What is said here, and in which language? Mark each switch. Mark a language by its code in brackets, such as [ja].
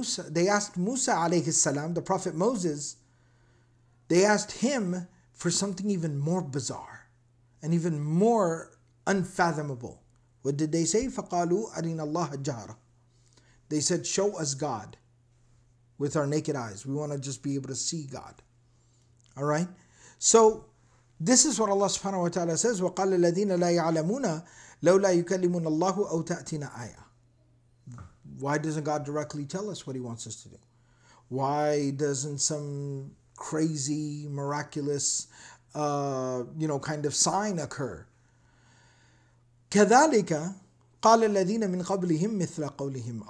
[en] They asked Musa alayhi salam, the Prophet Moses, they asked him for something even more bizarre and even more unfathomable. What did they say? [ar] فَقَالُوا أَرِنَا اللَّهَ جَهْرًا. [en] They said, show us God with our naked eyes. We want to just be able to see God. All right? So this is what Allah subhanahu wa ta'ala says, [ar] وَقَالَ الَّذِينَ لَا يَعْلَمُونَ لَوْ لَا يُكَلِّمُونَ اللَّهُ أَوْ تَأْتِينَ آيَةً. [en] Why doesn't God directly tell us what He wants us to do? Why doesn't some crazy, miraculous, kind of sign occur? [ar] كَذَلِكَ قَالَ الَّذِينَ مِنْ قَبْلِهِمْ مِثْلَ قَوْلِهِمْ.